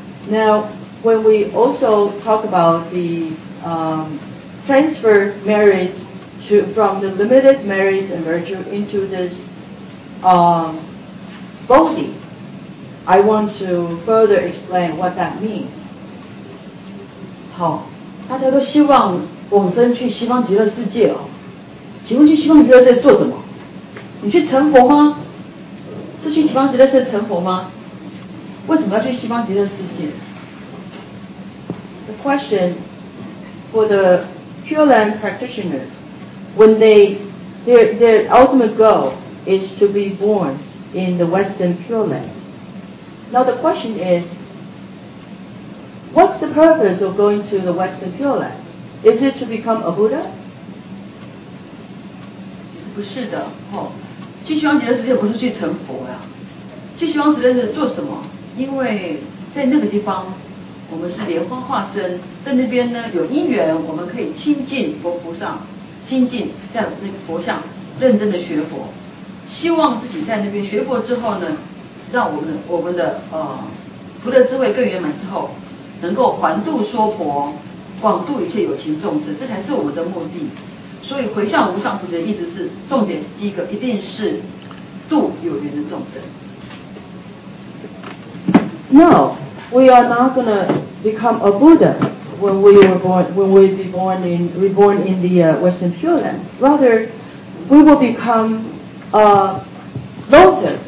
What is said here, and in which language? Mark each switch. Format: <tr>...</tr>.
<en>Now, when we also talk about the transfer merit from the limited merit and virtue into this bodhi, I want to further explain what that means.</en> <zh>好，大家都希望往生去西方极乐世界哦。请问去西方极乐世界做什么？你去成佛吗？是去西方极乐世界成佛吗？为什么要去西方极乐世界？</zh> <en>The question for the Pure Land practitioner, when their ultimate goal is to be born in the Western Pure Land. Now the question is, what's the purpose of going to the Western Pure Land? Is it to become a Buddha?</en> <zh>其实不是的，去西方极乐世界不是去成佛呀，去西方极乐世界做什么？因为在那个地方我们是莲花化身，在那边呢有因缘，我们可以亲近佛菩萨，亲近在那个佛像，认真的学佛，希望自己在那边学佛之后呢，让我们的福德智慧更圆满之后，能够还度说佛，广度一切有情众生，这才是我们的目的。所以回向无上菩提的意思是，重点第一个一定是度有缘的众生。</zh> <en>No, we are not gonna become a Buddha when we are reborn in the Western Pure Land. Rather, we will become a lotus.</en>